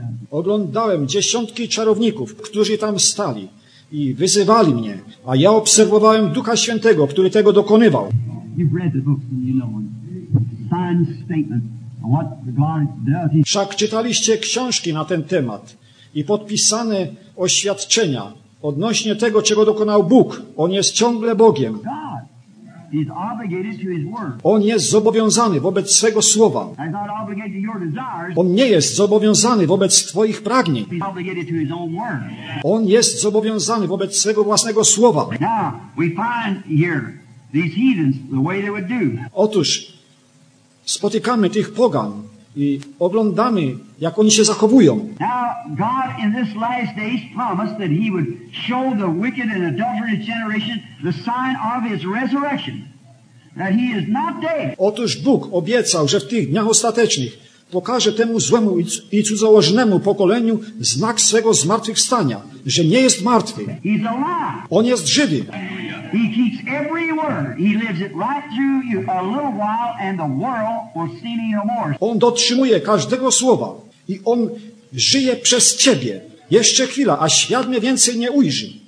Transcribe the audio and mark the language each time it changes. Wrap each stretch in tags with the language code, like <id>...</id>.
<pl>Oglądałem dziesiątki czarowników, którzy tam stali i wyzywali mnie, a ja obserwowałem Ducha Świętego, który tego dokonywał.</pl> <en>You've read the books and you know signed statement on what God does.</en> <pl>Wszak czytaliście książki na ten temat i podpisane oświadczenia odnośnie tego, czego dokonał Bóg. On jest ciągle Bogiem.</pl> <en>God is obligated to his word.</en> <pl>On jest zobowiązany wobec swego słowa.</pl> <en>He's not obligated to your desires.</en> <pl>On nie jest zobowiązany wobec twoich pragnień.</pl> <en>He's obligated to his own word.</en> <pl>On jest zobowiązany wobec swego własnego słowa.</pl> <en>Now, we find here these heathens, the way they would do.</en> <pl>Otóż spotykamy tych pogan i oglądamy, jak oni się zachowują.</pl> <en>Now God in this last days promised that he would show the wicked and adulterous generation the sign of his resurrection, that he is not dead.</en> <pl>Otóż Bóg obiecał, że w tych dniach ostatecznych pokaże temu złemu i cudzołożnemu pokoleniu znak swego zmartwychwstania, że nie jest martwy.</pl> <en>He's alive.</en> <pl>On jest żywy.</pl> <en>He keeps every word. He lives it right through you a little while and the world will see me no more.</en> <pl>On dotrzymuje każdego słowa i on żyje przez ciebie. Jeszcze chwila, a świat mnie więcej nie ujrzy.</pl>